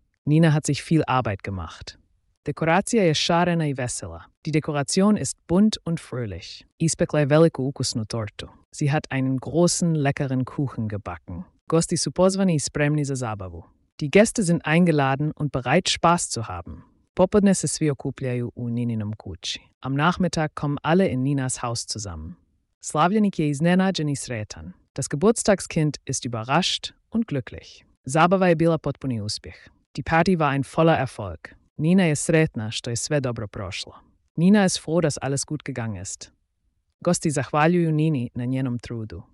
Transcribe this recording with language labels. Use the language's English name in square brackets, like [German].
[German] Nina hat sich viel Arbeit gemacht. [Croatian] Dekoracija je šarena i vesela. [German] Die Dekoration ist bunt und fröhlich. [Croatian] Ispekla je veliku ukusnu tortu. [German] Sie hat einen großen, leckeren Kuchen gebacken. [Croatian] Gosti su pozvani i spremni za zabavu. [German] Die Gäste sind eingeladen und bereit, Spaß zu haben. [Croatian] Popodne se svi okupljaju u Nininom kući. [German] Am Nachmittag kommen alle in Ninas Haus zusammen. [Croatian] Slavljenik je iznenađen i sretan. [German] Das Geburtstagskind ist überrascht und glücklich. [Croatian] Zabava je bila potpuni uspjeh. [German] Die Party war ein voller Erfolg. [Croatian] Nina je sretna što je sve dobro prošlo. [German] Nina ist froh, dass alles gut gegangen ist. [Croatian] Gosti zahvaljuju Nini na njenom trudu.